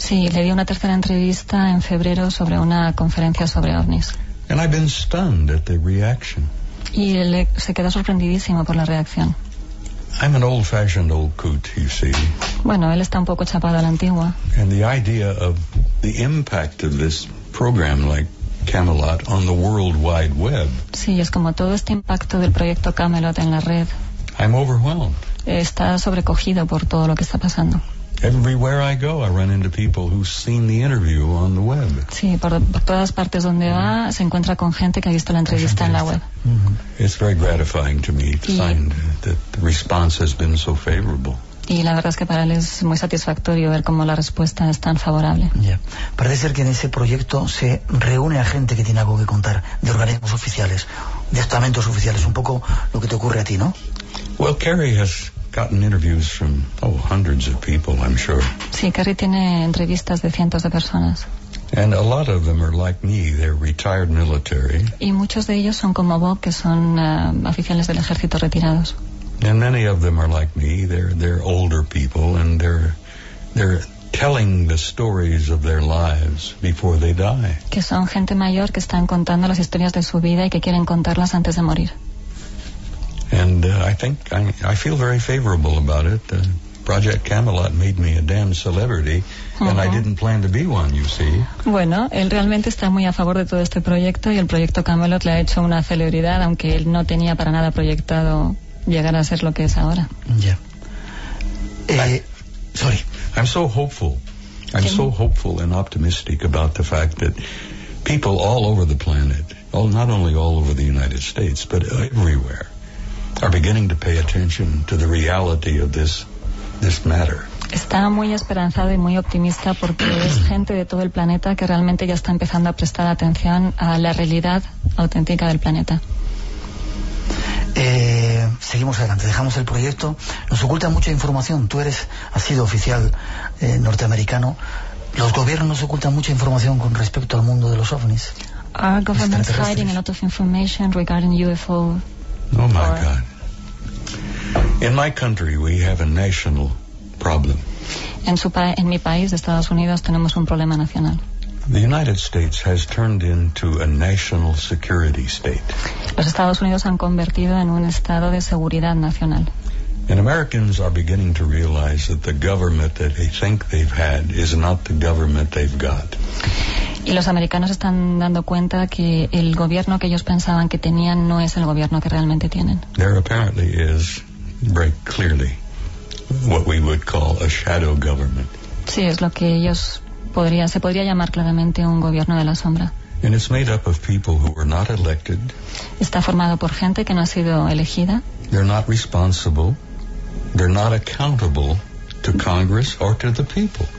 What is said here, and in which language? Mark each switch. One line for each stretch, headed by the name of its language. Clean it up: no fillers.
Spanish: Sí, le di una tercera entrevista en febrero sobre una conferencia sobre ovnis.
English: And I've been stunned at the reaction.
Spanish: Y él se quedó sorprendidísimo por la reacción.
English: I'm an old-fashioned old coot, you see.
Spanish: Bueno, él está un poco chapado a la antigua.
English: And the idea of the impact of this program like Camelot on the World Wide Web.
Spanish: Sí, es como todo este impacto del proyecto Camelot en la red.
English: I'm overwhelmed.
Spanish: Está sobrecogido por todo lo que está pasando.
English: Everywhere I go, I run into people who've seen the interview on the web.
Spanish: Sí, por todas partes donde va, se encuentra con gente que ha visto la entrevista en la web. Mm-hmm.
English: It's very gratifying to me to find that the response has been so favorable.
Spanish: Y la verdad es que para él es muy satisfactorio ver cómo la respuesta es tan favorable. Yeah. Parece ser que en ese proyecto se reúne a gente que tiene algo que contar, de organismos oficiales, de estamentos oficiales, un poco lo que te ocurre a ti, ¿no?
English: Well, Carrie has gotten interviews from, hundreds of people, I'm sure.
Spanish: Sí, Carrie tiene entrevistas de cientos de personas.
English: And a lot of them are like me, they're retired military.
Spanish: Y muchos de ellos son como Bob, que son oficiales del ejército retirados.
English: And many of them are like me, they're older people, and they're telling the stories of their lives before they die.
Spanish: Que son gente mayor que están contando las historias de su vida y que quieren contarlas antes de morir.
English: And I feel very favorable about it. Project Camelot made me a damn celebrity, and I didn't plan to be one, you see.
Spanish: Bueno, él realmente está muy a favor de todo este proyecto, y el proyecto Camelot le ha hecho una celebridad, aunque él no tenía para nada proyectado llegar a ser lo que es ahora.
English: I'm so hopeful. I'm so hopeful and optimistic about the fact that people all over the planet, not only all over the United States, but everywhere, are beginning to pay attention to the reality of this matter.
Spanish: Está muy esperanzado y muy optimista porque es gente de todo el planeta que realmente ya está empezando a prestar atención a la realidad auténtica del planeta. Seguimos adelante, dejamos el proyecto. Nos oculta mucha información. Tú eres, has sido oficial norteamericano. Los gobiernos ocultan mucha información con respecto al mundo de los ovnis.
English: Our government's hiding a lot of information regarding UFO. Oh my God. In my country we have a national problem.
Spanish: En mi país, Estados Unidos, tenemos un problema nacional.
English: The United States has turned into a national security state.
Spanish: Los Estados Unidos han convertido en un estado de seguridad nacional.
English: And Americans are beginning to realize that the government that they think they've had is not the government they've got.
Spanish: Y los americanos están dando cuenta que el gobierno que ellos pensaban que tenían no es el gobierno que realmente tienen.
English: There apparently is very clearly what we would call a shadow government.
Spanish: Sí, es lo que ellos se podría llamar claramente un gobierno de la sombra.
English: And it's made up of people who are not elected.
Spanish: Está formado por gente que no ha sido elegida.
English: They're not responsible. They're not accountable to Congress or to the people.